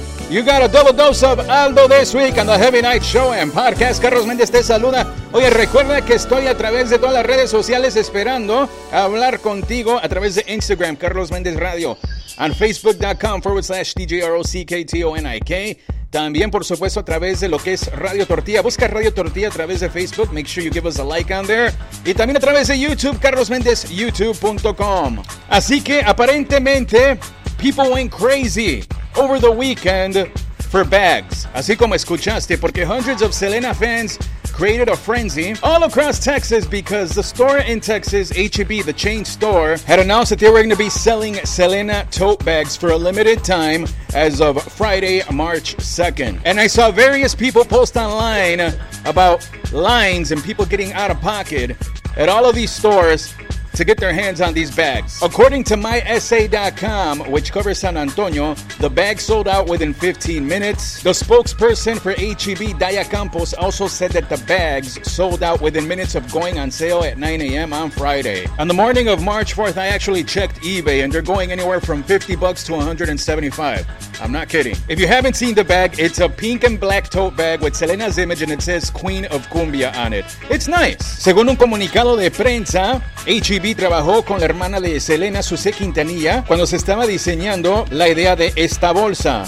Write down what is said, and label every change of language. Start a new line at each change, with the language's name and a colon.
English: You got a double dose of Aldo this week on the Heavy Night Show and Podcast.
Spanish: Carlos Méndez te saluda. Oye, recuerda que estoy a través de todas las redes sociales esperando hablar contigo a través de Instagram, Carlos Méndez Radio, on facebook.com/DJROCKTONIK. También, por supuesto, a través de lo que es Radio Tortilla. Busca Radio Tortilla a través de Facebook.
English: Make sure you give us a like on there.
Spanish: Y también a través de YouTube, Carlos Méndez, youtube.com. Así que, aparentemente,
English: people went crazy over the weekend for bags.
Spanish: Así como escuchaste, porque
English: hundreds of Selena fans created a frenzy all across Texas because the store in Texas, H-E-B, the chain store, had announced that they were going to be selling Selena tote bags for a limited time as of Friday, March 2nd. And I saw various people post online about lines and people getting out of pocket at all of these stores to get their hands on these bags. According to MySA.com, which covers San Antonio, the bag sold out within 15 minutes. The spokesperson for HEB, Daya Campos, also said that the bags sold out within minutes of going on sale at 9 a.m. on Friday. On the morning of March 4th, I actually checked eBay, and they're going anywhere from $50 to $175. I'm not kidding. If you haven't seen the bag, it's a pink and black tote bag with Selena's image, and it says Queen of Cumbia on it. It's nice.
Spanish: Según un comunicado de prensa, HEB trabajó con la hermana de Selena, Susé Quintanilla, cuando se estaba diseñando la idea de esta bolsa.